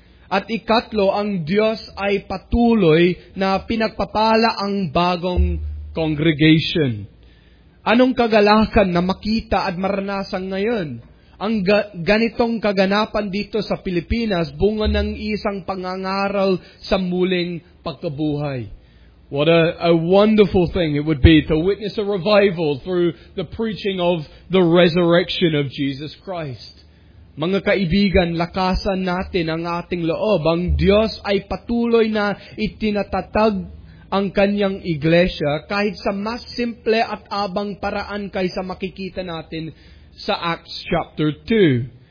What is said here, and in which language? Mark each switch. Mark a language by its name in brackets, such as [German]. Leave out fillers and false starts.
[Filipino] At ikatlo, ang Diyos ay patuloy na pinagpapala ang bagong congregation. Anong kagalakan na makita at maranasan ngayon? Ang ganitong kaganapan dito sa Pilipinas, bunga ng isang pangangaral sa muling pagkabuhay. [English] What a wonderful thing it would be to witness a revival through the preaching of the resurrection of Jesus Christ. [Filipino] Mga kaibigan, lakasan natin ang ating loob. Ang Diyos ay patuloy na itinatatag ang Kanyang iglesia kahit sa mas simple at abang paraan kaysa makikita natin sa Acts chapter 2.